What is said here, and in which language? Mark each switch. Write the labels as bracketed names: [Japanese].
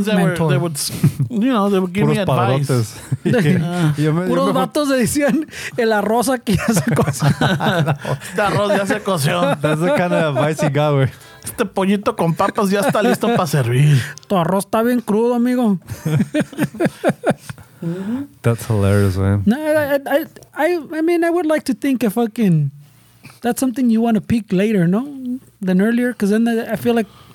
[English] and they were the ones that would give me advice. [Spanish] Puros padrotes. Puros vatos decían el arroz aquí ya se coció. Este arroz ya se coció. [English] That's the kind of advice he got, güey. [Spanish] Este pollito con papas ya está listo para servir. Tu arroz está bien crudo, amigo. [English] That's hilarious, man. No, I mean, I would like to think if fucking that's something you want to peak later, no, than earlier, because then I feel like.